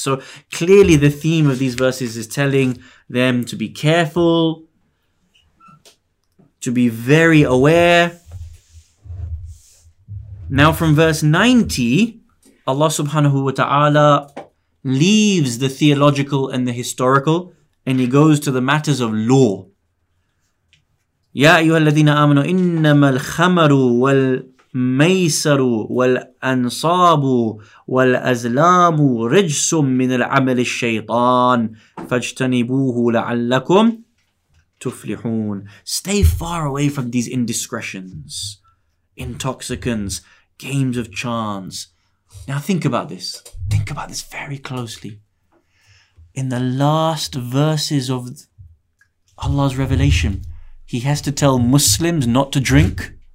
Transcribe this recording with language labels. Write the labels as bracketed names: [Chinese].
[English] So clearly the theme of these verses is telling them to be careful, to be very aware. Now from verse 90, Allah subhanahu wa ta'ala leaves the theological and the historical and he goes to the matters of law. [Arabic] Ya ayyuha alladhina amanu innamal khamaru wal ميسر والأنصاب والأزلام رجس من العمل الشيطان فاجتنبوه لعلكم تفلحون. [English] Stay far away from these indiscretions, intoxicants, games of chance. Now think about this. Think about this very closely. In the last verses of Allah's revelation, He has to tell Muslims not to drink.